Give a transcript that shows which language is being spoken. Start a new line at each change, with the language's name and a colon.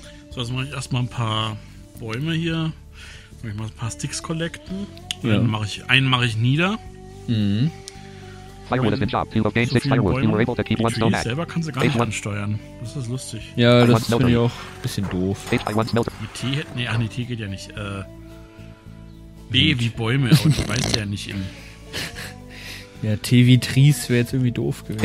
German: So, jetzt mache ich erstmal ein paar Bäume hier. Mache ich mal ein paar Sticks collecten. Ja. Dann mache ich nieder.
English: Firewood has been chopped. You have gained 6 firewood. You were able to keep 1 stone hack.
German: Selber kannst du gar nicht ansteuern. Das ist lustig. Ja, das finde ich auch ein bisschen doof. H1 smelter. Mit T geht ja nicht. B wie Bäume, aber ich weiß ja nicht eben. Ja, T wie Trees wäre jetzt irgendwie doof gewesen.